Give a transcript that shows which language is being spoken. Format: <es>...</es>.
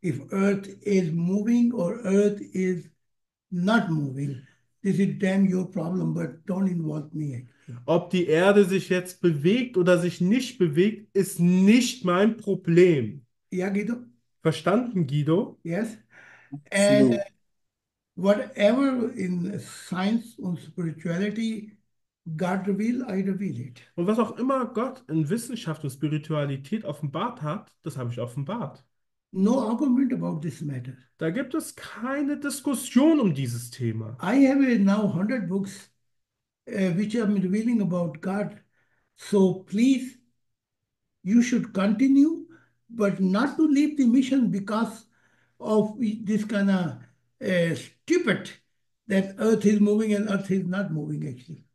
<en>If Earth is moving or Earth is not moving, this is damn your problem, but don't involve me actually.</en> <de>Ob die Erde sich jetzt bewegt oder sich nicht bewegt, ist nicht mein Problem. Ja, Guido? Verstanden, Guido?</de> <en>Yes? And</en> <de>Absolut.</de> <en>whatever in science und spirituality, God will, I reveal it.</en> <de>Und was auch immer Gott in Wissenschaft und Spiritualität offenbart hat, das habe ich offenbart.</de> <en>No argument about this matter.</en> <de>Da gibt es keine Diskussion um dieses Thema.</de> <en>I have now 100 books which I'm revealing about God. So please, you should continue, but not to leave the mission because of this kind of stupid that Earth is moving and Earth is not moving actually.</en>